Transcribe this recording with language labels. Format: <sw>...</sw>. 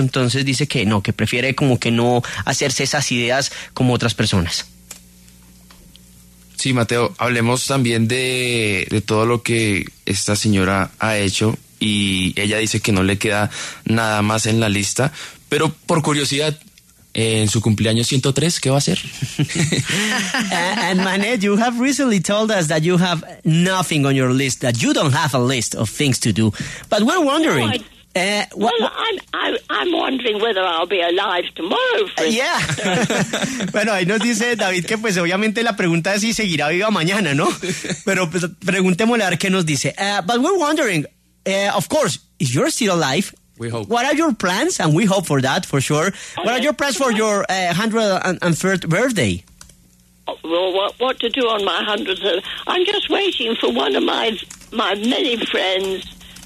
<es>Entonces dice que no, que prefiere como que no hacerse esas ideas como otras personas. Sí, Mateo, hablemos también de todo lo que esta señora ha hecho, y ella dice que no le queda nada más en la lista, pero por curiosidad, en su cumpleaños 103, ¿qué va a hacer?</es> <en>And Manet, you have recently told us that you have nothing on your list, that you don't have a list of things to do, but we're wondering... I'm wondering whether I'll be alive tomorrow. Yeah.</en> <es>Bueno, ahí nos dice David que pues obviamente la pregunta es si seguirá viva mañana, ¿no? Pero pues, preguntémosle a ver qué nos dice.</es> <en>But we're wondering, of course, if you're still alive, we hope. What are your plans? And we hope for that, for sure. Are your plans for your 103rd birthday? Well, what to do on my 100th? I'm just waiting for one of my many friends...</en>